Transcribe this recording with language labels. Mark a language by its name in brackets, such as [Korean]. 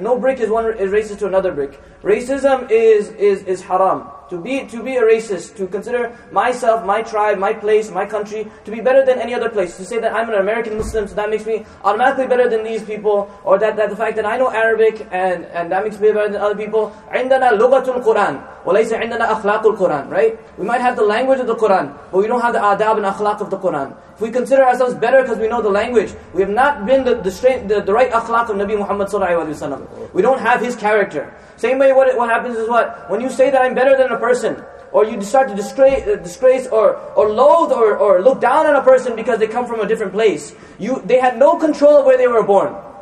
[English] No brick is racist to another brick. Racism is haram. To be a racist, to consider myself, my tribe, my place, my country, to be better than any other place. To say that I'm an American Muslim, so that makes me automatically better than these people. Or that the fact that I know Arabic, and that makes me better than other people. [Arabic] عندنا لغة القرآن وليس عندنا أخلاق القرآن. [English] Right? We might have the language of the Qur'an, but we don't have the adab and akhlaq of the Qur'an. If we consider ourselves better because we know the language, we have not been the right akhlaq of Nabi Muhammad sallallahu alayhi wa sallam. We don't have his character. Same way what happens is what? When you say that I'm better than a person, or you start to disgrace or loathe or look down on a person because they come from a different place, they had no control of where they were born.